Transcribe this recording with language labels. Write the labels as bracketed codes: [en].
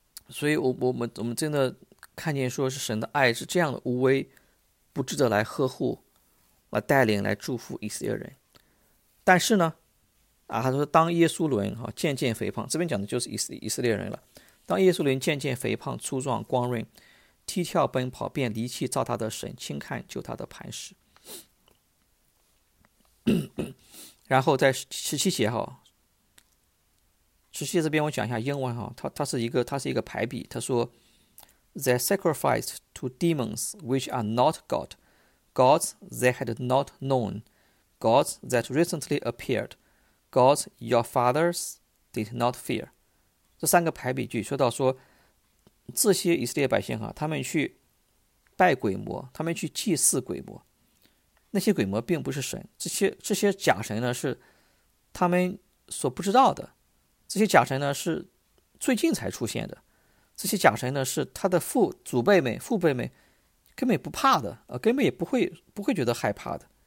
[zh] 所以我们真的看见说是神的爱是这样的无微不至的来呵护，来带领，来祝福以色列人。但是呢，他说当耶稣伦渐渐肥胖，这边讲的就是以色列人了，当耶稣伦渐渐肥胖粗壮光润，踢跳奔跑，便离弃造他的神，轻看救他的磐石。然后在十七节哈，实际这边我讲一下英文哈，它是一个排比，他说 [en] They sacrificed to demons which are not God, gods they had not known, gods that recently appeared, gods your fathers did not fear. [zh] 这三个排比句说到说，这些以色列百姓哈，他们去拜鬼魔，他们去祭祀鬼魔，那些鬼魔并不是神，这些假神呢是他们所不知道的，这些假神呢是最近才出现的，这些假神呢是他的父辈们根本不怕的，根本也不会觉得害怕的。